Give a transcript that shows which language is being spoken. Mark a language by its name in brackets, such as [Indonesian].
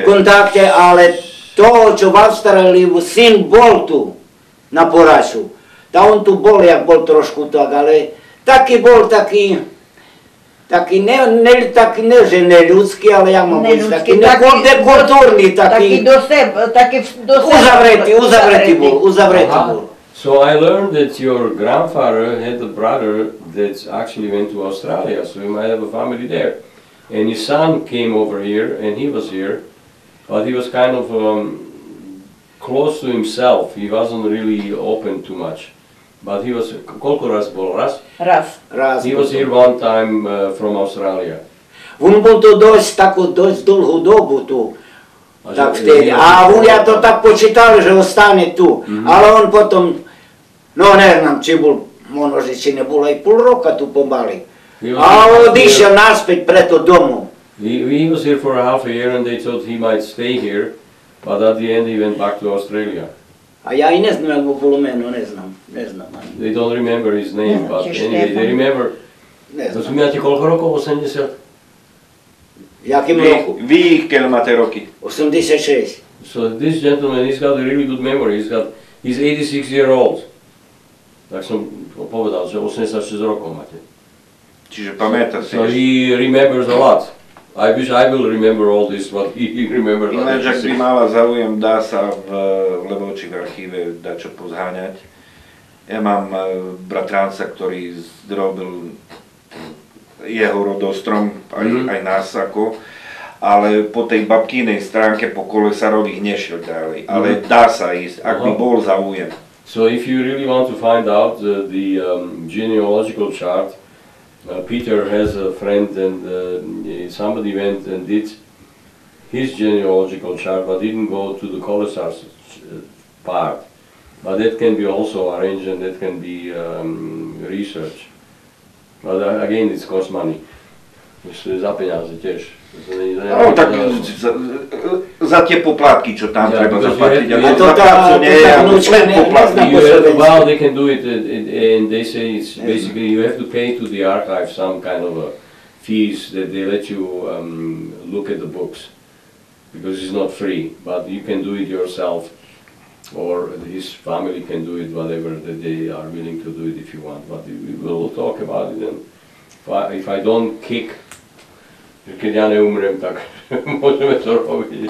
[Slovak] V kontakte, ale to, čo v Austrálii, syn bol tu na Poraču. Tak on tu bol, jak bol trošku tak, ale taký bol taký... Taký že neľudský, ale ja mám byť taký nekultúrny, taký uzavretý bol. [English] So I learned that your grandfather had a brother that actually went to Australia, so he might have a family there. And his son came over here, and he was here, but he was kind of close to himself, he wasn't really open too much. But he was, [Slovak] koľko raz bol? Raz? Raz. [English] He was here one time from Australia. [Slovak] On bol to dosť takú, dosť dlhú dobu tu. Tak vtedy. A on ja to tak počítal, že ostane tu. Ale on potom, no neviem, či bol, možno, že či nebol aj pol roka tu pomaly. A odišiel naspäť preto domu. [English] He was here for a half a year and they thought he might stay here. But at the end he went back to Australia. [Slovak] A ja i neznam, jak mu bolo meno, neznam. [English] They don't remember his name, neznam, but anyway, they remember. [Slovak] Neznam. Rozumiate, koľko rokov? 80? V jakým roku? Vy, keď máte roky? 86. [English] So this gentleman, he's got a really good memory, he's 86 year old. [Slovak] Tak som povedal, že 86 rokov máte. Čiže pamäta [English] si. So he remembers a lot. I wish I will remember all this, but he remembers [Slovak] that. Ináč, ak by mala záujem, dá sa v Levoči v archíve dačo pozháňať. Ja mám bratranca, ktorý zdrobil jeho rodostrom, aj nás ako, ale po tej babkinej stránke, po Kolesarových nešiel ďalej. Ale dá sa ísť, ak by bol záujem. [English] So if you really want to find out the genealogical chart, Peter has a friend and somebody went and did his genealogical chart but didn't go to the Kolesar part. But that can be also arranged and that can be research. But again, it costs money. [Slovak] Za peniaze tiež. No tak za tie poplatky, čo tam treba zaplatiť. A to tá vnúčka poplatky. [English] You have to, well, they can do it and they say it's basically you have to pay to the archive some kind of a fees that they let you look at the books. Because it's not free, but you can do it yourself. Or his family can do it, whatever, that they are willing to do it if you want. But we will talk about it. And if I don't kick, [Slovak] keď ja neumriem, tak môžeme to robiť.